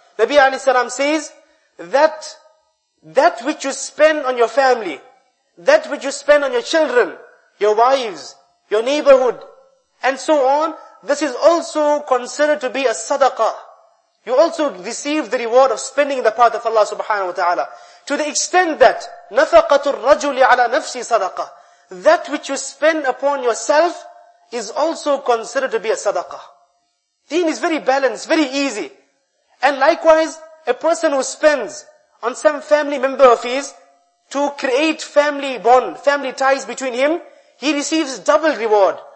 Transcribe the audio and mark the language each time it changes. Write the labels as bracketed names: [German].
[English] Nabi alayhi salam says that that which you spend on your family, that which you spend on your children, your wives, your neighborhood, and so on, this is also considered to be a sadaqah. You also receive the reward of spending in the path of Allah subhanahu wa ta'ala. To the extent that, [Arabic] نَفَقَةُ الرَّجُلِ عَلَى نَفْسِ صَدَقَةً. [English] That which you spend upon yourself is also considered to be a sadaqah. Deen is very balanced, very easy. And likewise, a person who spends on some family member of his to create family bond, family ties between him, he receives double reward.